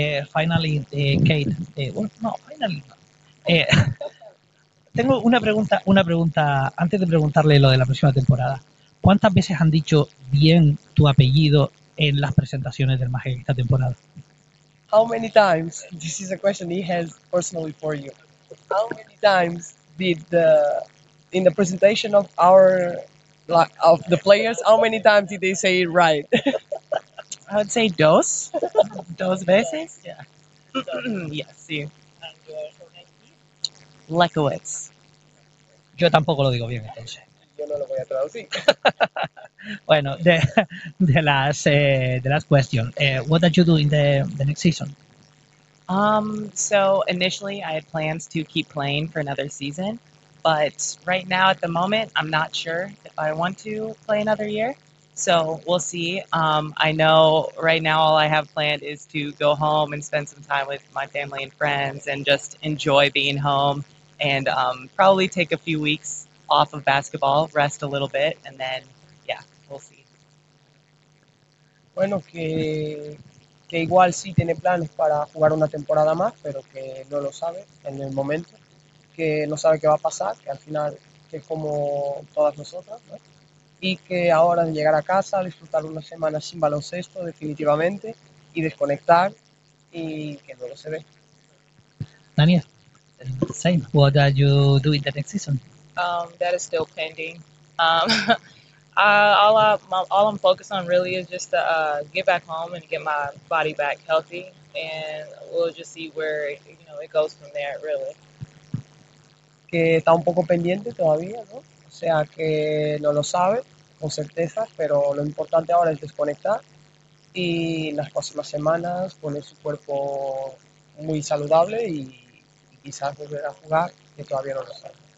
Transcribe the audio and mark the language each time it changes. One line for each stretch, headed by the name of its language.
Spanish: Finally, Kate, tengo una pregunta, antes de preguntarle lo de la próxima temporada. ¿Cuántas veces han dicho bien tu apellido en las presentaciones del Magic esta temporada?
English: How many times, this is a question he has personally for you. How many times did in the presentation of our, like, of the players, how many times did they say it right? I would say dos.
Spanish: Dos veces.
English: Yeah. Yes, sí. Lekowitz.
Spanish: Yo tampoco lo digo bien, entonces. Yo no lo voy a traducir. Bueno, de las questions.
English: What did you do in the next season? So initially I had plans to keep playing for another season, but right now at the moment I'm not sure if I want to play another year. So we'll see. I know right now all I have planned is to go home and spend some time with my family and friends and just enjoy being home. And probably take a few weeks off of basketball, rest a little bit, and then, yeah, we'll see.
Spanish: Bueno, que igual sí tiene planes para jugar una temporada más, pero que no lo sabe en el momento, que no sabe qué va a pasar, que al final que es como todas nosotras, ¿no? Y que ahora en llegar a casa, disfrutar una semana sin baloncesto definitivamente y desconectar y que luego se ve.
English: Daniel. Same. What are you doing the next season? That is still pending. All I'm focused on really is just to get back home and get my body back healthy, and we'll just see where it goes from there, really.
Spanish: Que está un poco pendiente todavía, ¿no? O sea, que no lo sabe con certeza, pero lo importante ahora es desconectar y las próximas semanas poner su cuerpo muy saludable y quizás volver a jugar, que todavía no lo sabe.